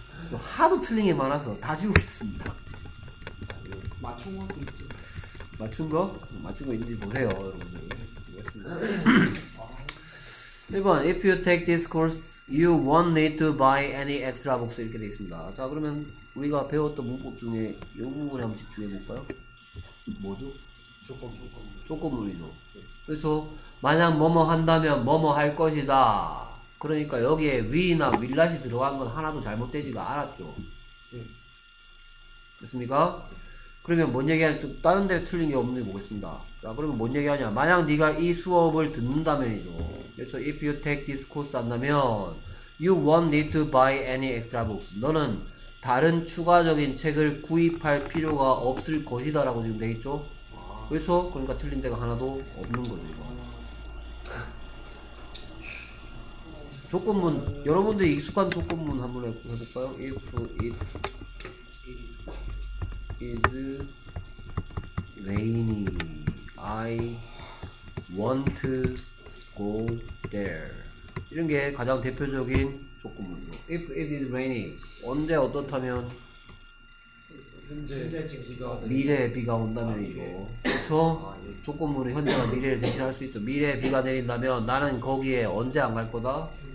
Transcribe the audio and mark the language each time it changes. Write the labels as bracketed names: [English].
[Korean] 좀 하도 틀린 게 많아서 다 지우겠습니다. 맞춘 것도 있죠. 맞춘 거? 맞춘 거 있는지 보세요, 여러분들. [English] 1번, if you take this course, you won't need to buy any extra books. [Korean] 이렇게 되어 있습니다. 자, 그러면 우리가 배웠던 문법 중에 이 부분에 한번 집중해 볼까요? 뭐죠? 조건문이죠. 네. 그렇죠. 만약 뭐뭐 한다면 뭐뭐 할 것이다. 그러니까 여기에 we나 will not이 들어간 건 하나도 잘못되지가 않았죠. 네. 됐습니까? 그러면 뭔 얘기하냐, 또 다른 데 틀린 게 없는지 보겠습니다. 자, 그러면 뭔 얘기하냐, 만약 네가 이 수업을 듣는다면이죠. 그렇죠. [English] If you take this course [Korean] 한다면 [English] you won't need to buy any extra books. [Korean] 너는 다른 추가적인 책을 구입할 필요가 없을 것이다 라고 지금 돼있죠. 그렇죠? 그러니까 틀린 데가 하나도 없는 거죠. 이거 조건문, 여러분들 익숙한 조건문 한번 해볼까요? [English] If it is rainy, I want to go there. [Korean] 이런 게 가장 대표적인 조건문이죠. [English] If it is rainy, [Korean] 언제 어떻다면? 현재 비가 미래에 비가 온다면이죠. 그렇죠? 조건문이 현재가 미래를 대신할 수 있죠. 미래에 비가 내린다면 나는 거기에 언제 안 갈 거다?